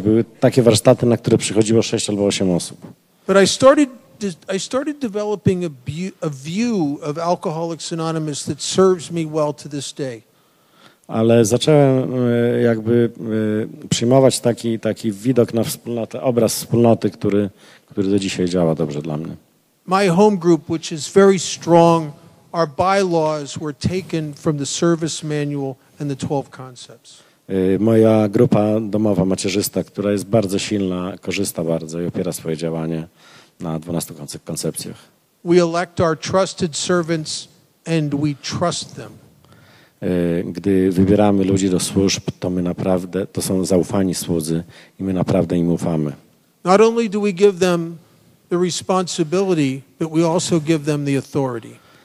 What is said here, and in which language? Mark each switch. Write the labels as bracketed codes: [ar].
[pl] Były takie warsztaty, na które przychodziło 6 albo 8 osób. [en] But I started developing a view of Alcoholics Anonymous that serves me well to this day. [pl] Ale zacząłem jakby przyjmować taki widok na wspólnotę, obraz wspólnoty, który do dzisiaj działa dobrze dla mnie. [en] My home group, which is very strong, our bylaws were taken from the service manual and the 12 concepts. [pl] Moja grupa domowa, macierzysta, która jest bardzo silna, korzysta bardzo i opiera swoje działanie na 12 koncepcjach. [en] We elect our trusted servants and we trust them. [pl] Gdy wybieramy ludzi do służb, to my naprawdę, to są zaufani słudzy i my naprawdę im ufamy. [en] Not only do we give them the responsibility, but we also give them the authority.